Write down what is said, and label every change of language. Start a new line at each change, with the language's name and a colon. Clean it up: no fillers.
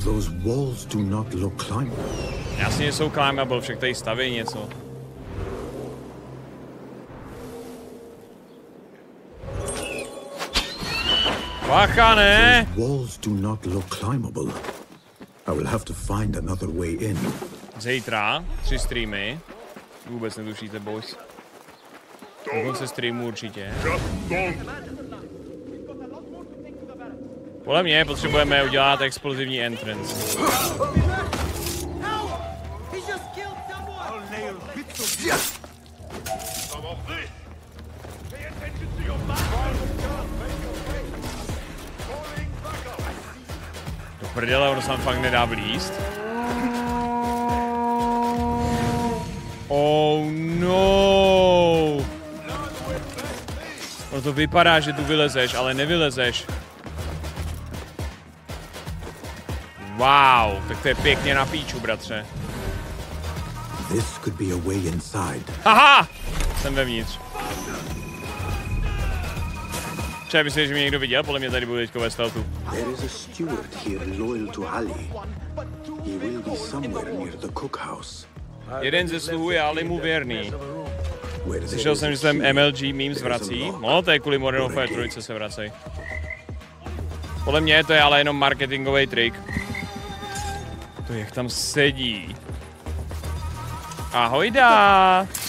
English: Those walls do not look climbable.
Czech: Jasně, jsou climbable, však tady staví něco. Bacha, ne?
English: Those walls do not look climbable. I will have to find another way in.
Czech: Zítra, 3 streamy. Vůbec netušíte, boys. Vůbec se streamu určitě. Podle mě potřebujeme udělat explozivní entrance. Do prdele, ono se nám fakt nedá blíst.
English: Oh no!
Czech: Ono to vypadá, že tu vylezeš, ale nevylezeš. Wow, tak to je pěkně na píču, bratře.
English: This could be a way inside.
Czech: Haha! Jsem vevnitř. Třeba myslíš, že mě někdo viděl? Podle mě tady bude teďko ve stealthu.
English: There is a steward here loyal to Ali. He will be somewhere near the cookhouse.
Czech: Jeden ze sluhů je Ali mu věrný. Slyšel jsem, že se MLG memes vrací. No, to je kvůli Modern Warfare 3 se vracej. Podle mě to je ale jenom marketingový trik. To jak tam sedí. Ahojda!